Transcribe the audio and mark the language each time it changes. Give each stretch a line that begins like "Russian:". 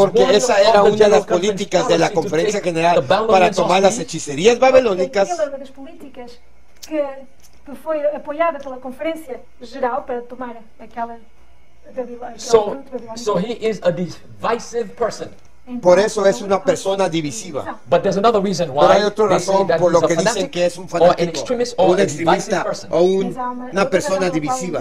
Spanish: porque esa era una de las políticas de la conferencia general para tomar las hechicerías babilónicas. Una de las políticas que fue apoyada por la conferencia general para tomar aquella
English: so he is a divisive person.
Spanish: Por eso es una persona divisiva.
English: But there's another reason why.
Spanish: Pero hay otra razón por lo que dicen que es un fanático, un extremista o una persona divisiva.